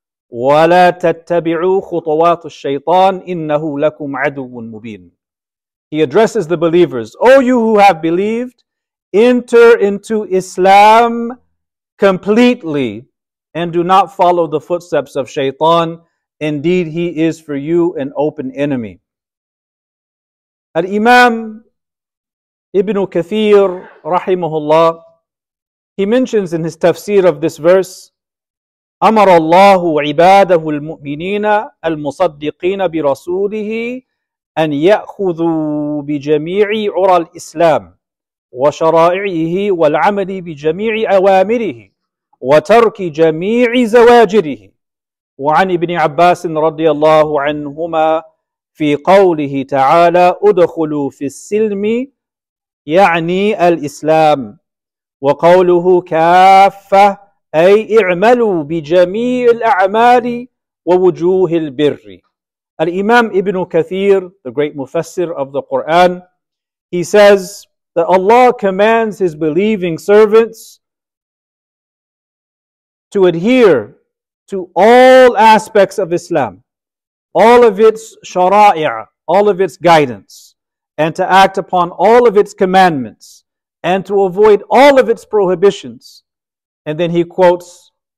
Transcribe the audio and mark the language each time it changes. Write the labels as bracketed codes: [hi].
[ar] وَلَا تَتَّبِعُوا خُطُوَاتُ الشَّيْطَانِ إِنَّهُ لَكُمْ عَدُوٌ مُبِينٌ. [en] He addresses the believers, O you who have believed, enter into Islam completely and do not follow the footsteps of Shaytan. Indeed, he is for you an open enemy. Al-Imam Ibn Kathir, rahimahullah, he mentions in his tafsir of this verse, [ar] أمر الله عباده المؤمنين المصدقين برسوله أن يأخذوا بجميع عرى الإسلام وشرائعه والعمل بجميع أوامره وترك جميع زواجره. وعن ابن عباس رضي الله عنهما في قوله تعالى أدخلوا في السلم يعني الإسلام وقوله كافة أي اعملوا بجميع الأعمال ووجوه البر. [en] Al-Imam Ibn Kathir, the great Mufassir of the Quran, he says that Allah commands His believing servants to adhere to all aspects of Islam, all of its shara'i', all of its guidance, and to act upon all of its commandments, and to avoid all of its prohibitions. And then he quotes